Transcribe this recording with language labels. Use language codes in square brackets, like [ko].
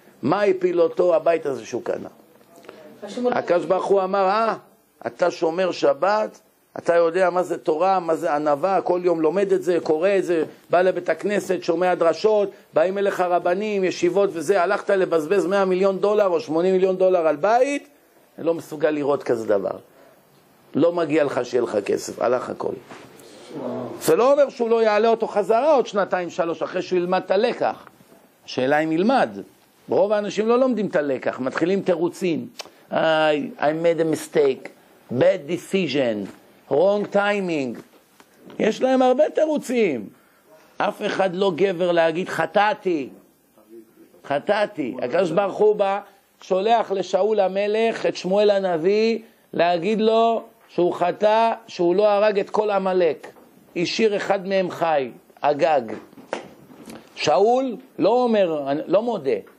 [he] מה הפיל אותו הבית הזה שהוא קנה? הקדוש ברוך הוא אמר, אתה שומר שבת, אתה יודע מה זה תורה, מה זה ענווה, כל יום לומד את זה, קורא את זה, בא לבית הכנסת, שומע דרשות, באים אליך רבנים, ישיבות וזה, הלכת לבזבז 100 מיליון דולר או 80 מיליון דולר על בית, אני לא מסוגל לראות כזה דבר. לא מגיע לך שיהיה לך כסף, הלך הכל. זה לא אומר שהוא לא יעלה אותו חזרה עוד שנתיים, שלוש, אחרי שהוא ילמד את הלקח. השאלה אם ילמד. רוב האנשים לא לומדים את הלקח, מתחילים תירוצים. [en] I made a mistake, bad decision, wrong timing. [he] יש להם הרבה תירוצים. אף אחד לא גבר להגיד, חטאתי. חטאתי. הקדוש ברוך הוא בא, שולח לשאול המלך את שמואל הנביא, להגיד לו שהוא חטא, שהוא לא הרג את כל עמלק. השאיר אחד מהם חי, אגג. שאול לא אומר, לא מודה.